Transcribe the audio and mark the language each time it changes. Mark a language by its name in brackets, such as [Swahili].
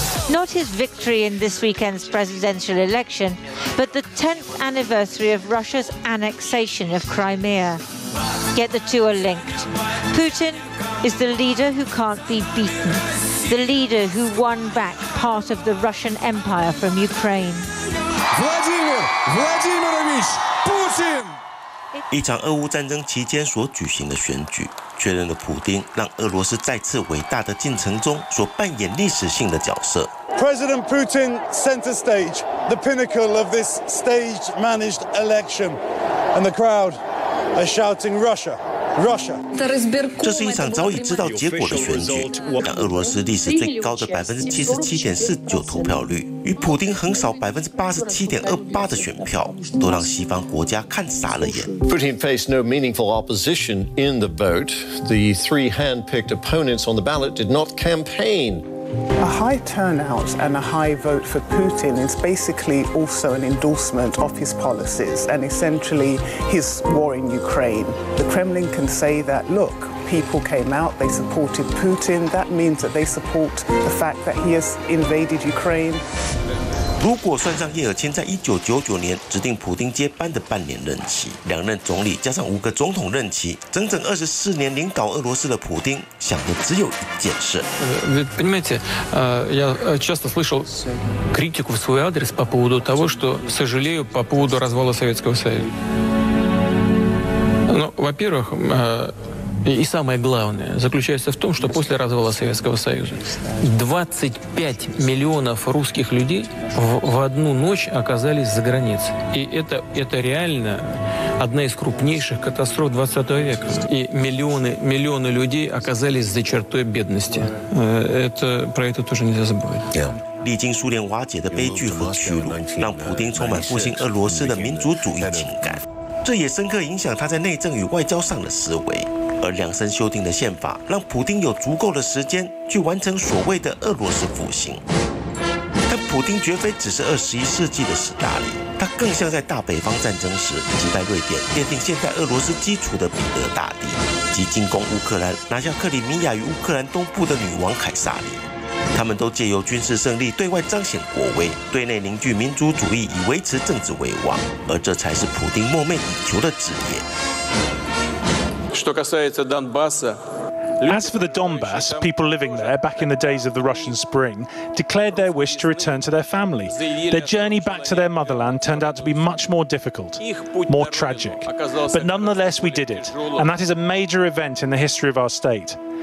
[English] Not his victory in this weekend's presidential election, but the 10th anniversary of Russia's annexation of Crimea. Yet the two are linked. Putin is the leader who can't be beaten, the leader who won back part of the Russian Empire from Ukraine. Vladimir Vladimirovich Putin! [Chinese] 一场俄乌战争期间所举行的选举，确认了普丁让俄罗斯再次伟大的进程中所扮演历史性的角色。 [English] President Putin center stage, the pinnacle of this staged managed election, and the crowd are shouting Russia, Russia. [Chinese] 这是一场早已知道结果的选举，让俄罗斯历史最高的77.49%投票率，与普丁横扫87.28%的选票，都让西方国家看傻了眼。 [English] Putin faced no meaningful opposition in the vote. The three hand-picked opponents on the ballot did not campaign. A high turnout and a high vote for Putin is basically also an endorsement of his policies and essentially his war in Ukraine. The Kremlin can say that, look. People came out, they supported Putin. That means that they support the fact that he has invaded Ukraine. [Chinese] 如果算上叶尔钦在1999年指定普丁接班的半年任期，两任总理加上五个总统任期，整整24年领导俄罗斯的普丁，想的只有一件事。 [Russian] Вы понимаете, я часто слышал критику в свой адрес по поводу того, что сожалею по поводу развала Советского Союза. Ну, во-первых, И самое главное заключается в том, что после развала Советского Союза 25 миллионов русских людей в одну ночь оказались за границей. И это реально одна из крупнейших катастроф 20 века. И миллионы людей оказались за чертой бедности. Про это тоже нельзя забывать. [English] Yeah. [Chinese] 历经苏联瓦解的悲剧和屈辱，让普丁充满复兴俄罗斯的民族主义情感，这也深刻影响他在内政与外交上的思维。而量身修订的宪法让普丁有足够的时间去完成所谓的俄罗斯复兴，但普丁绝非只是21世纪的史大林，他更像在大北方战争时击败瑞典奠定现代俄罗斯基础的彼得大帝，即进攻乌克兰拿下克里米亚与乌克兰东部的女王凯撒琳，他们都借由军事胜利对外彰显国威，对内凝聚民族主义以维持政治威望，而这才是普丁梦寐以求的职业。 [English] As for the Donbass, people living there back in the days of the Russian Spring declared their wish to return to their family. Their journey back to their motherland turned out to be much more difficult, more tragic. But nonetheless, we did it. And that is a major event in the history of our state.